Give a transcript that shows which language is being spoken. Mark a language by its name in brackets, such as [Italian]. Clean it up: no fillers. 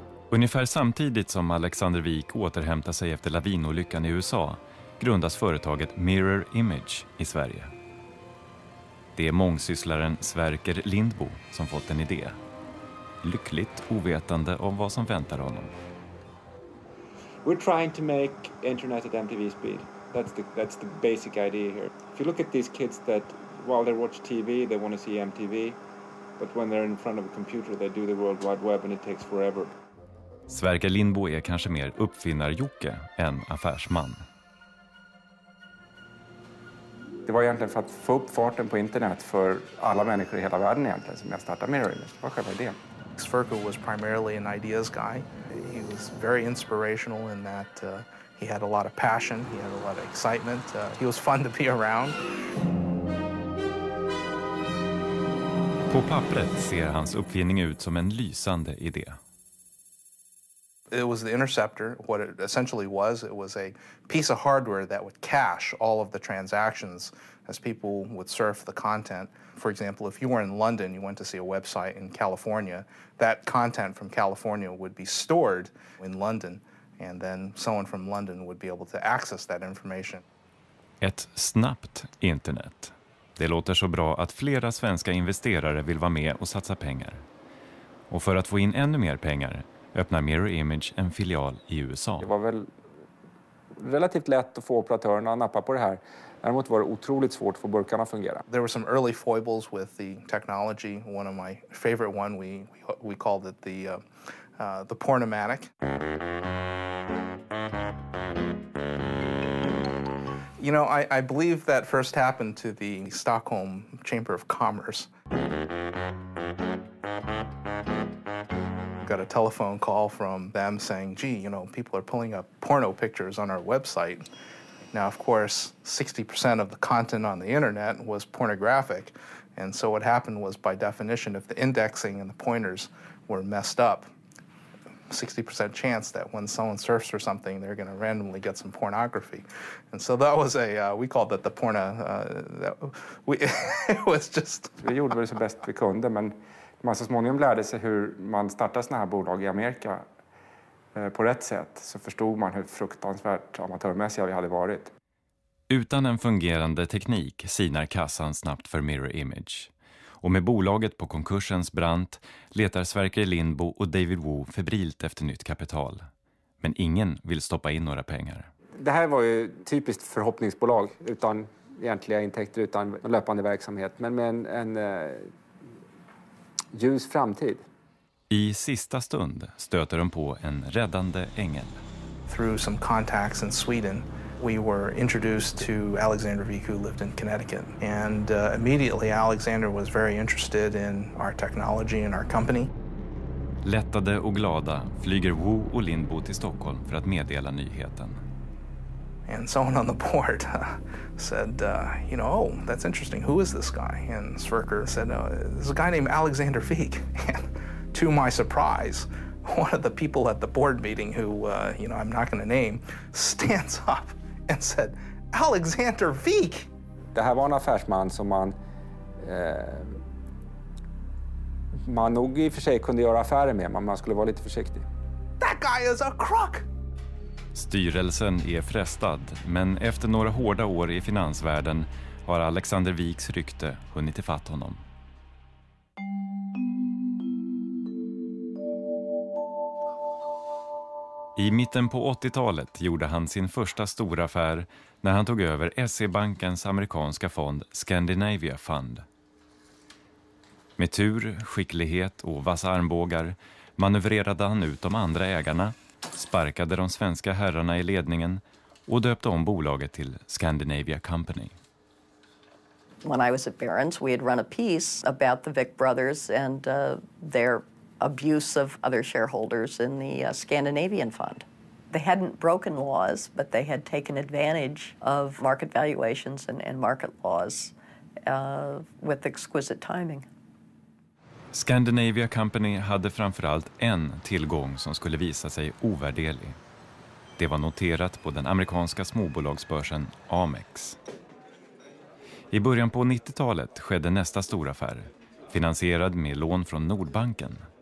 [Swedish] Ungefär samtidigt som Alexander Wik återhämtar sig efter lavinolyckan i USA grundas företaget Mirror Image i Sverige. Det är mångsysslaren Sverker Lindbo som fått en idé. Lyckligt ovetande om vad som väntar honom. [English] We're trying to make internet at MTV speed. That's the basic idea here. If you look at these kids that while they watch TV, they want to see MTV. But when they're in front of a computer they do the World Wide Web and it takes forever. [Swedish] Sverker Lindbo är kanske mer uppfinnar-Jocke än affärsman. Det var egentligen för att få upp farten på internet för alla människor i hela världen egentligen som jag startade Mirror Image. Det var själva idén. [English] Sverker was primarily an ideas guy. He was very inspirational in that he had a lot of passion, he had a lot of excitement. He was fun to be around. [Swedish] På pappret ser hans uppfinning ut som en lysande idé. [English] It was the interceptor. What it essentially was, it was a piece of hardware that would cache all of the transactions as people would surf the content. For example, if you were in London, you went to see a website in California, that content from California would be stored in London, and then someone from London would be able to access that information. [Swedish] Ett snabbt internet. Det låter så bra att flera svenska investerare vill vara med och satsa pengar. Och för att få in ännu mer pengar öppnar Mirror Image en filial i USA. Det var väl relativt lätt att få operatörerna att nappa på det här. Däremot var det otroligt svårt för burkarna att fungera. [English] There were some early foibles with the technology. One of my favorite one, we called it the Pornomatic. You know, I believe that first happened to the Stockholm Chamber of Commerce. Got a telephone call from them saying, gee, you know, people are pulling up porno pictures on our website. Now, of course, 60% of the content on the internet was pornographic. And so what happened was, by definition, if the indexing and the pointers were messed up, 60% chance that when someone surfs or something, they're going to randomly get some pornography. And so that was a, we called that the porno, that we, it was just... [Swedish] Vi gjorde väl så bäst vi kunde, men man så småningom lärde sig hur man startar såna här bolag i Amerika på rätt sätt, så förstod man hur fruktansvärt amatörmässiga vi hade varit. Utan en fungerande teknik sinar kassan snabbt för Mirror Image. Och med bolaget på konkursens brant letar Sverker Lindbo och David Wu febrilt efter nytt kapital. Men ingen vill stoppa in några pengar. Det här var ju typiskt förhoppningsbolag utan egentliga intäkter, utan löpande verksamhet. Men med en ljus framtid. I sista stund stöter de på en räddande ängel. [English] Through some contacts in Sweden, we were introduced to Alexander Vik, who lived in Connecticut. And immediately Alexander was very interested in our technology and our company. [Swedish] Lättade och glada flyger Wu och Lindbo till Stockholm för att meddela nyheten. [English] And someone on the board said, you know, oh, that's interesting. Who is this guy? And Sverker said, no, there's a guy named Alexander Vik. And to my surprise, one of the people at the board meeting who, you know, I'm not going to name, stands up and said, Alexander Vik! [Swedish] Det här var en affärsman som man nog i och för sig kunde göra affärer med, men man skulle vara lite försiktig. [English] That guy is a crook! [Swedish] Styrelsen är frestad, men efter några hårda år i finansvärlden har Alexander Viks rykte hunnit ifatt honom. I mitten på 80-talet gjorde han sin första stora affär när han tog över SE-bankens amerikanska fond Scandinavia Fund. Med tur, skicklighet och vassa armbågar manövrerade han ut de andra ägarna, sparkade de svenska herrarna i ledningen och döpte om bolaget till Scandinavia Company. [English] When I was at Barron's, we had run a piece about the Vik brothers and their abuse of other shareholders in the Scandinavian fund. They hadn't broken laws, but they had taken advantage of market valuations and market laws with exquisite timing. [Swedish] Scandinavia Company hade framförallt en tillgång som skulle visa sig ovärderlig. Det var noterat på den amerikanska småbolagsbörsen Amex. I början på 90-talet skedde nästa stor affär, finansierad med lån från Nordbanken.